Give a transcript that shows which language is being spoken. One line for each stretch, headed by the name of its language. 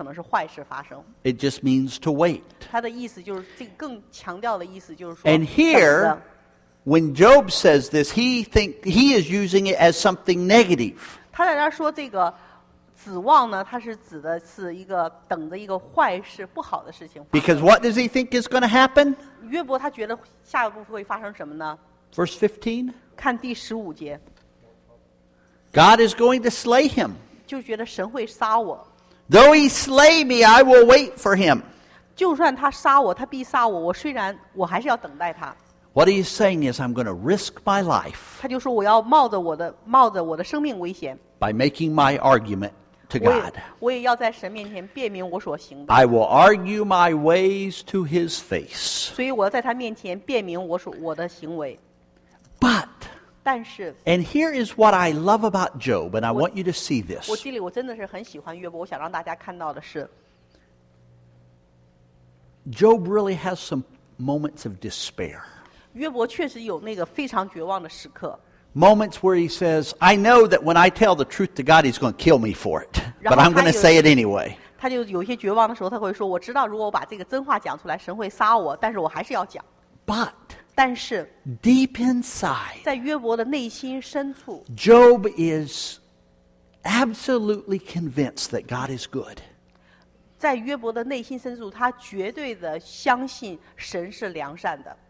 Chinese: 他这个指望就是说，可能是好事，也可能是坏事发生。
English: It just means to wait.
Chinese: 他的意思就是这个更强调的意思就是说。
English: And here. When Job says this, he is using it as something negative.
Chinese: 他在那说这个指望呢, 他是指的是一个等着一个坏事不好的事情发生。
English: Because what does he think is going to happen?
Chinese: 约伯他觉得下一步会发生什么呢?
English: Verse 15.
Chinese: 看第15节。
English: God is going to slay him.
Chinese: 就觉得神会杀我。
English: Though he slay me, I will wait for him.
Chinese: 就算他杀我, 他必杀我, 我虽然, 我还是要等待他。
English: What he's saying is, I'm going to risk my life
Chinese: 他就说我要冒着我的生命危险
English: by making my argument to God.
Chinese: 我也要在神面前辨明我所行的。
English: I will argue my ways to his face.
Chinese: 所以我要在他面前辨明我的行为。
English: But,
Chinese: 但是,
English: and here is what I love about Job, and I want you to see this.
Chinese: 我心里真的是很喜欢约伯, 我想让大家看到的是,
English: Job really has some moments of despair.
Chinese: 约伯确实有那个非常绝望的时刻。
English: Moments where he says, I know that when I tell the truth to God, he's going to kill me for it. But I'm going to say it anyway.
Chinese: 他就有些绝望的时候，他会说， 我知道如果我把这个真话讲出来，神会杀我， 但是我还是要讲。
English: But,
Chinese: 但是,
English: deep inside,
Chinese: 在约伯的内心深处,
English: Job is absolutely convinced that God is good.
Chinese: 在约伯的内心深处, 他绝对的相信神是良善的。